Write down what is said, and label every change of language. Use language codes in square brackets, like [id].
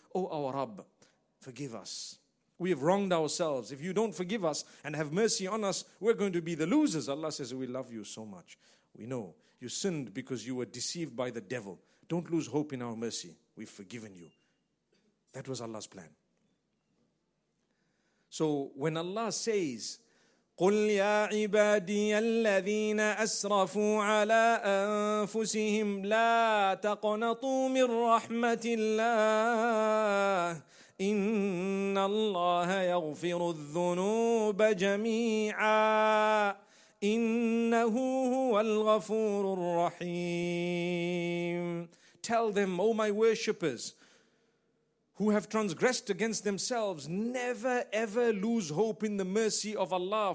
[en] Oh our Rabb, forgive us. We have wronged ourselves. If you don't forgive us and have mercy on us, we're going to be the losers. Allah says, we love you so much. We know you sinned because you were deceived by the devil. Don't lose hope in our mercy. We've forgiven you. That was Allah's plan. So when Allah says, [ar] قُلْ يَا عِبَادِيَ الَّذِينَ أَسْرَفُوا عَلَىٰ أَنفُسِهِمْ لَا تَقْنَطُوا مِنْ رَحْمَةِ اللَّهِ إِنَّ اللَّهَ يَغْفِرُ الذُّنُوبَ جَمِيعًا إِنَّهُ هُوَ الْغَفُورُ الرَّحِيمُ. [en] Tell them, O my worshippers, who have transgressed against themselves, never ever lose hope in the mercy of Allah.